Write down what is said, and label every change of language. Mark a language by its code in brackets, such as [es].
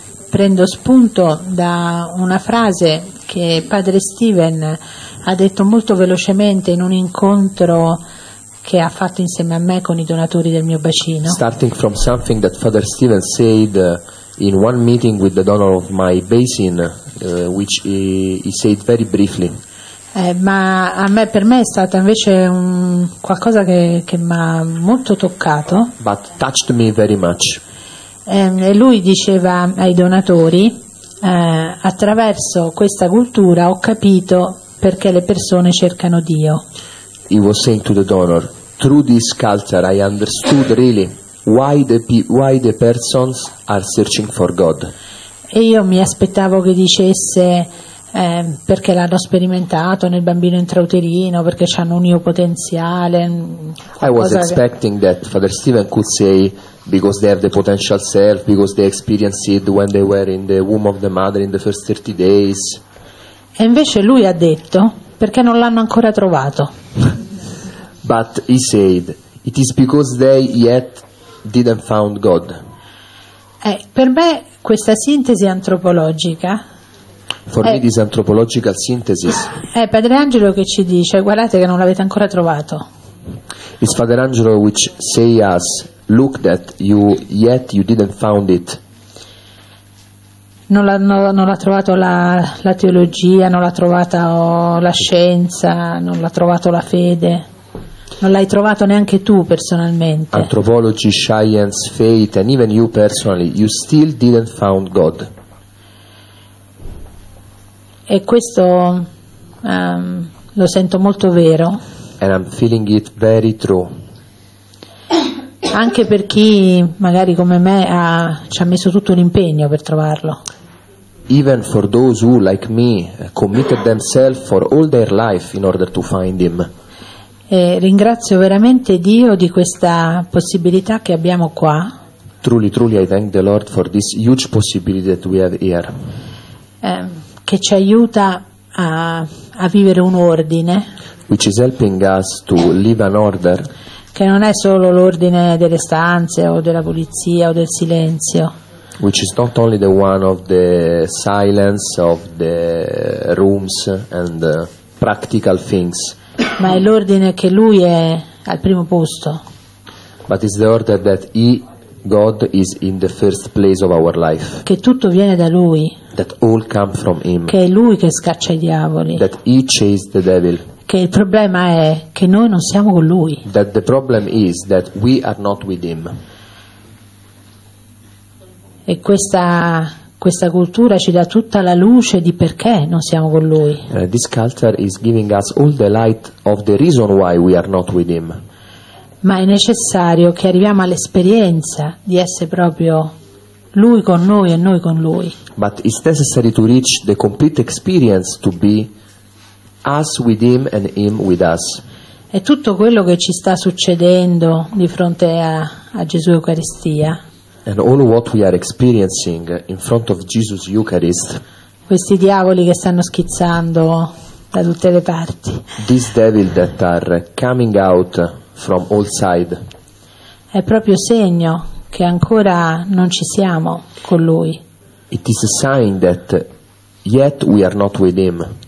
[it] Prendo spunto da una frase che Padre Steven ha detto molto velocemente in un incontro che ha fatto insieme a me con i donatori del mio bacino. [en] Starting from something that Father Steven said in one meeting with the donor of my basin, which he said very briefly. [it] Ma a me, per me è stata invece qualcosa che mi ha molto toccato. [en] But touched me very much. [it] E lui diceva ai donatori, attraverso questa cultura ho capito perché le persone cercano Dio. [en] He was saying to the donor, through this culture I understood really why the persons are searching for God. [it] E io mi aspettavo che dicesse perché l'hanno sperimentato nel bambino intrauterino, perché hanno un io potenziale. [en] I was expecting that Father Steven could say because they have the potential self, because they experienced it when they were in the womb of the mother in the first 30 days. [it] E invece lui ha detto perché non l'hanno ancora trovato. [en] But he said, it is because they yet didn't found God. [it] Per me questa sintesi antropologica. [en] For me this anthropological synthesis. [it] È Padre Angelo che ci dice, guardate che non l'avete ancora trovato. [en] It's Father Angelo which say us, look that you yet you didn't found it. [it] Non l'ha trovato la teologia, non l'ha trovata la scienza, non l'ha trovato la fede. Non l'hai trovato neanche tu personalmente. [en] Anthropology, science, faith, and even you personally, you still didn't found God. [it] E questo lo sento molto vero. [en] And I'm feeling it very true. [it] Anche per chi magari come me ci ha messo tutto l'impegno per trovarlo. [en] Even for those who, like me, committed themselves for all their life in order to find him. [it] E ringrazio veramente Dio di questa possibilità che abbiamo qua. [en] Truly, truly, I thank the Lord for this huge possibility that we have here. [it] Che ci aiuta a vivere un ordine. [en] Which is helping us to live an order. [it] Che non è solo l'ordine delle stanze o della pulizia o del silenzio. [en] Which is not only the one of the silence of the rooms and the practical things. [it] Ma è l'ordine che lui è al primo posto. [en] But it's the order that he, God, is in the first place of our life. [it] Che tutto viene da lui. [en] That all come from him. [it] Che è lui che scaccia i diavoli. [en] That he chased the devil. [it] Che il problema è che noi non siamo con lui. [en] That the problem is that we are not with him. [it] E questa cultura ci dà tutta la luce di perché non siamo con lui. [en] This culture is giving us all the light of the reason why we are not with him. [it] Ma è necessario che arriviamo all'esperienza di essere proprio lui con noi e noi con lui. [en] But it's necessary to reach the complete experience to be us with him and him with us. [it] E tutto quello che ci sta succedendo di fronte a Gesù Eucaristia. [en] And all what we are experiencing in front of Jesus Eucharist. [it] Questi diavoli che stanno schizzando da tutte le parti. [en] These devils that are coming out from all sides. [it] È proprio segno che ancora non ci siamo con lui. [en] It is a sign that yet we are not with him.